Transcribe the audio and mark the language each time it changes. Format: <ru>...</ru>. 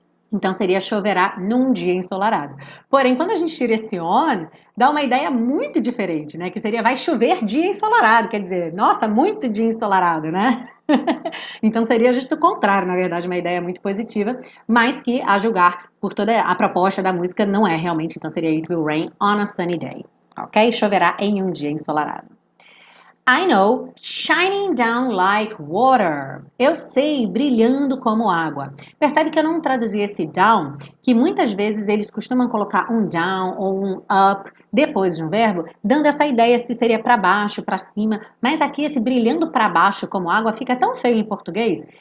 <pt>Então seria choverá num dia ensolarado. Porém, quando a gente tira esse on, dá uma ideia muito diferente, né? Que seria vai chover dia ensolarado, quer dizer, nossa, muito dia ensolarado, né? Então seria justo o contrário, na verdade, uma ideia muito positiva, mas que a julgar por toda a proposta da música não é realmente. Então seria</pt> <en>It will rain on a sunny day,</en> <pt>ok? Choverá em um dia ensolarado.</pt> <en>I know, shining down like water.</en> <pt>Eu sei, brilhando como água. Percebe que eu não traduzi esse down, que muitas vezes eles costumam colocar um down ou um up depois de um verbo, dando essa ideia se seria para baixo, para cima. Mas aqui esse brilhando para baixo como água fica tão feio em português.</pt>